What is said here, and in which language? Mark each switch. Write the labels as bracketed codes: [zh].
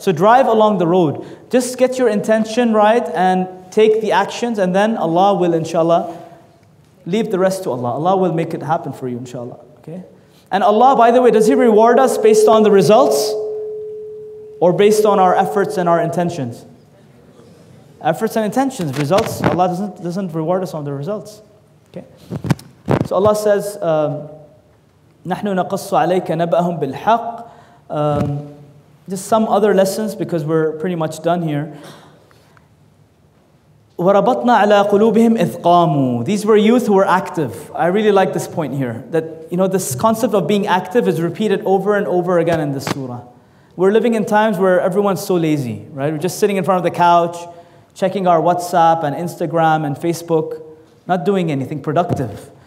[en] So drive along the road. Just get your intention right and take the actions, and then Allah will, inshallah, leave the rest to Allah. Allah will make it happen for you, inshallah. Okay? And Allah, by the way, does He reward us based on the results or based on our efforts and our intentions? Efforts and intentions. Results, Allah doesn't reward us on the results. Okay? So Allah says, [ar] نَحْنُ نَقَصُّ عَلَيْكَ نَبَأَهُمْ بِالْحَقِّ. [en] Just some other lessons because we're pretty much done here. [ar] وَرَبَطْنَا عَلَىٰ قُلُوبِهِمْ إِذْ قَامُوا. [en] These were youth who were active. I really like this point here. That, you know, this concept of being active is repeated over and over again in this surah. We're living in times where everyone's so lazy, right? We're just sitting in front of the couch, checking our WhatsApp and Instagram and Facebook, not doing anything productive.